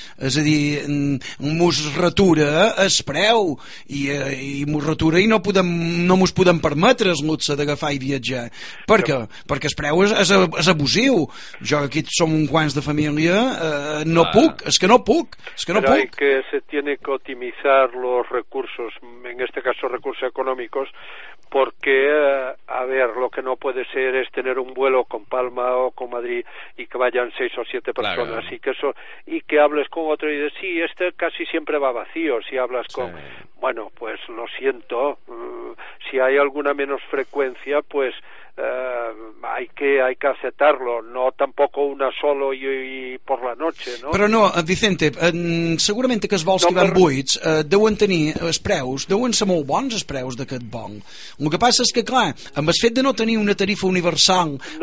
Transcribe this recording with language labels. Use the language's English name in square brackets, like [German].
[Catalan] És a dir, mos retura el preu i mos retura i no mos podem permetre el luxe d'agafar i viatjar. Per què? Perquè el preu és abusiu. Jo aquí som un quants de família, no puc, és que no puc, és que no puc. [Spanish] Que se tiene que optimizar los recursos, en este caso recursos económicos, porque, a ver, lo que no puede ser es tener un vuelo con Palma o con Madrid y que vayan 6 o 7 personas, claro. Y que hables con otro y dices, sí, este casi siempre va vacío, si hablas con... Sí. Bueno, pues lo siento, si hay alguna menos frecuencia, pues hay que aceptarlo, no tampoco una solo y por la noche, ¿no? [Catalan] Però no, Vicente, segurament que els vols no, que van buits deuen tenir els preus, deuen ser molt bons els preus d'aquest bon. El que passa és que, clar, amb el fet de no tenir una tarifa universal...